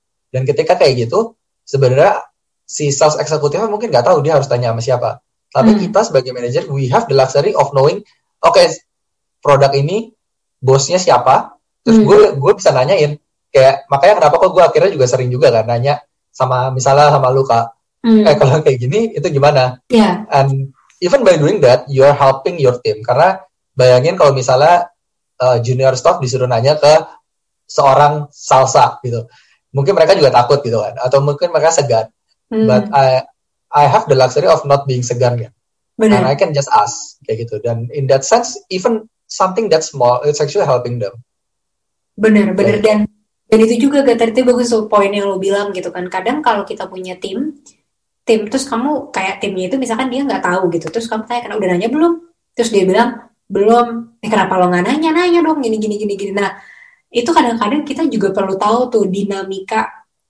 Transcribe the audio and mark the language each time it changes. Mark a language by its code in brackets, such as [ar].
[id] Dan ketika kayak gitu, sebenarnya si sales eksekutifnya mungkin nggak tahu dia harus tanya sama siapa. Tapi kita sebagai manager, [en] we have the luxury of knowing, okay, [id] produk ini bosnya siapa, terus gue bisa nanyain. Kayak, makanya kenapa kok gue akhirnya juga sering juga kan nanya sama misalnya sama lu, Kak. Kayak kalau kayak gini itu gimana? [en] Yeah. And even by doing that, you're helping your team. [id] Karena bayangin kalau misalnya junior staff disuruh nanya ke seorang salsa gitu, mungkin mereka juga takut gitu kan, atau mungkin mereka segan. [en] But I have the luxury of not being segan ya. [id] Benar. [en] And I can just ask [id] kayak gitu. Dan [en] in that sense, even something that small, it's actually helping them. [id] Benar, benar. Dan itu juga gak tadi bagus tuh poin yang lo bilang gitu kan. Kadang kalau kita punya tim terus kamu kayak timnya itu misalkan dia nggak tahu gitu, terus kamu tanya, kenapa udah nanya belum? Terus dia bilang belum. Eh, kenapa lo nggak nanya? Nanya dong. Gini gini gini gini. Nah, itu kadang-kadang kita juga perlu tahu tuh dinamika.